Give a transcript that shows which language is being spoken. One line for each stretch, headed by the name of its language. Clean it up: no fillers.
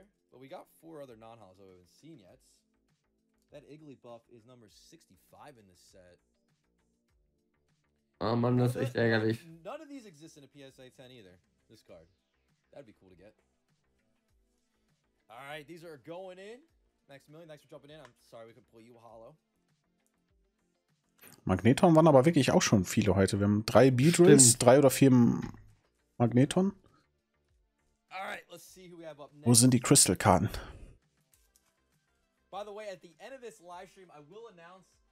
English: But we got 4 other non-hauls that we haven't seen yet. That Igglybuff is number 65 in this set.
German: Oh Mann, das ist echt ärgerlich.
English: None of these exist in a PSA 10 either. This card. That'd be cool to get. Alright, these are going in. Maximilian, thanks for jumping in. I'm sorry we could pull you hollow.
German: Magneton waren aber wirklich auch schon viele heute. Wir haben 3 Beedrills, 3 oder 4 Magneton.
English: Alright, let's see who we have up next.
German: Wo sind die Crystal-Karten?
English: By the way, at the end of this live stream, I will announce.